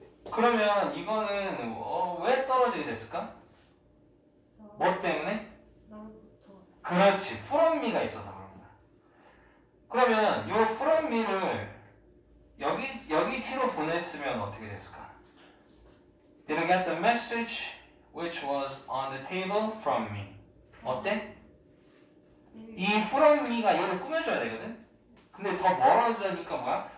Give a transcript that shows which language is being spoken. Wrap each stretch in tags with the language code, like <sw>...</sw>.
<ko>그러면 이거는 왜 떨어지게 됐을까? 뭐 때문에? 그렇지.</ko> <en>from me</en> <ko>가 있어서 그런 거야. 그러면 이 from me를 여기 뒤로 보냈으면 어떻게 됐을까?</ko> <en>Didn't get the message which was on the table from me.</en> <ko>어때? 이</ko> <en>from me</en> <ko>가 얘를 꾸며줘야 되거든? 근데 더 멀어지니까 뭐야?</ko>